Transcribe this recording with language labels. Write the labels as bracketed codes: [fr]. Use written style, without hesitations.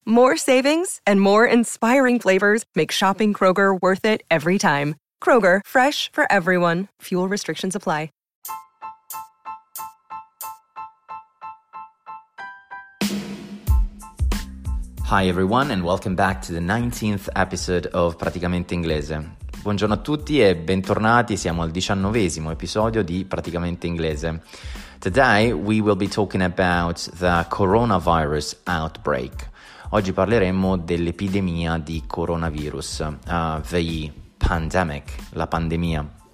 [en] More savings and more inspiring flavors make shopping Kroger worth it every time. Kroger, fresh for everyone. Fuel restrictions apply. Hi everyone and welcome back to the 19th episode of Praticamente Inglese. [it] Buongiorno a tutti e bentornati, siamo al 19th episodio di Praticamente Inglese. [en] Today we will be talking about the coronavirus outbreak. [it] Oggi parleremo dell'epidemia di coronavirus, [en] the pandemic, [it] la pandemia.